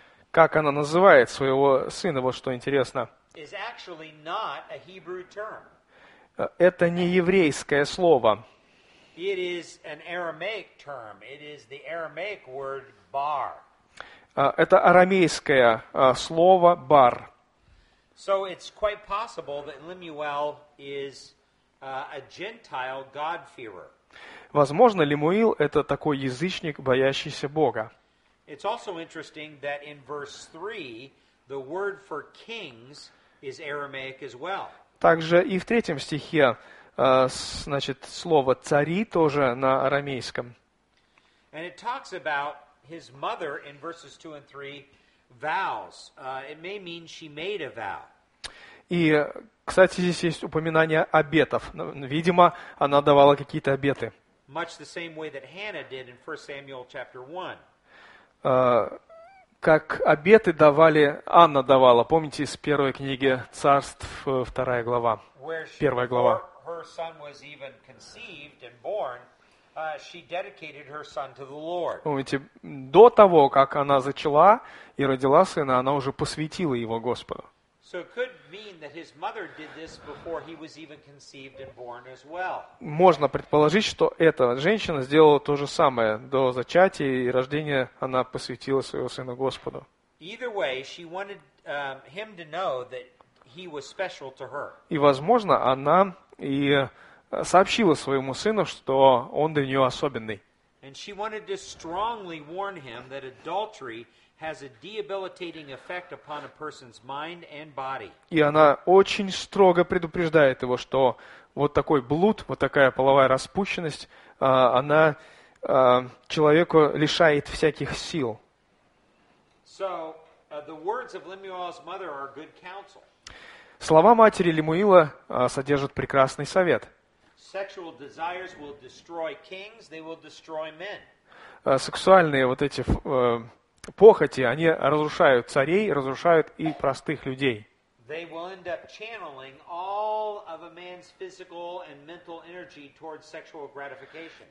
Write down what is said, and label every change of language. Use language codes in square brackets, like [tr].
[ru] Как она называет своего сына, вот что интересно. [en] Is actually not a Hebrew term. [ru] Это не еврейское слово. [en] It is an Aramaic term. It is the Aramaic word bar. [ru] Это арамейское слово бар. [en] So it's quite possible that Lemuel is a Gentile God-fearer. [ru] Возможно, Лемуил – это такой язычник, боящийся Бога. [en] It's also interesting that in verse 3, the word for kings is Aramaic as well. [ru] Также и в третьем стихе, значит, слово «цари» тоже на арамейском. [en] And it talks about his mother in verses 2 and 3 vows. It may mean she made a vow. [ru] И, кстати, здесь есть упоминание обетов. Видимо, она давала какие-то обеты. [en] Much the same way that Hannah did in 1 Samuel chapter 1. [ru] Как обеты давали, Анна давала, помните, из первой книги царств, вторая глава, первая глава. [en] Her son was even conceived and born, she dedicated her son to the Lord. [ru] Помните, до того, как она зачала и родила сына, она уже посвятила его Господу. [en] So it could mean that his mother did this before he was even conceived and born as well. [ru] Можно предположить, что эта женщина сделала то же самое. До зачатия и рождения она посвятила своего сына Господу. [en] Either way, she wanted him to know that he was special to her. [ru] И, возможно, она и сообщила своему сыну, что он для нее особенный. [en] And she wanted to strongly warn him that adultery has a debilitating effect upon a person's mind and body. [ru] И она очень строго предупреждает его, что вот такой блуд, вот такая половая распущенность, она человеку лишает всяких сил. [en] So, the words of Lemuel's mother are good counsel. [ru] Слова матери Лемуила содержат прекрасный совет. [en] Sexual desires will destroy kings, they will destroy men. [ru] Сексуальные вот эти похоти, они разрушают царей, разрушают и простых людей. [en] They will end up channeling all of a man's physical and mental energy towards sexual gratification.